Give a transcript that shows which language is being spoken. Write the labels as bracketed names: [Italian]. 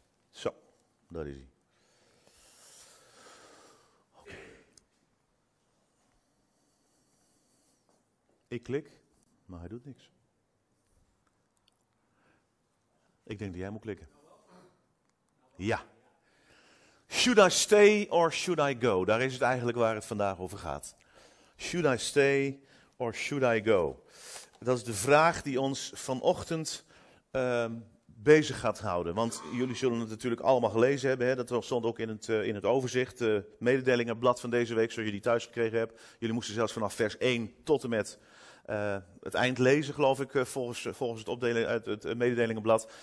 [Dutch] Zo, daar is hij. Ik klik, maar hij doet niks. Ik denk dat jij moet klikken. Ja. [English] Should I stay or should I go? [Dutch] Daar is het eigenlijk waar het vandaag over gaat. [English] Should I stay or should I go? [Dutch] Dat is de vraag die ons vanochtend bezig gaat houden. Want jullie zullen het natuurlijk allemaal gelezen hebben. Hè? Dat stond ook in het overzicht, mededelingenblad van deze week, zoals jullie thuis gekregen hebben. Jullie moesten zelfs vanaf vers 1 tot en met het eind lezen, geloof ik, volgens het opdelen uit het mededelingenblad.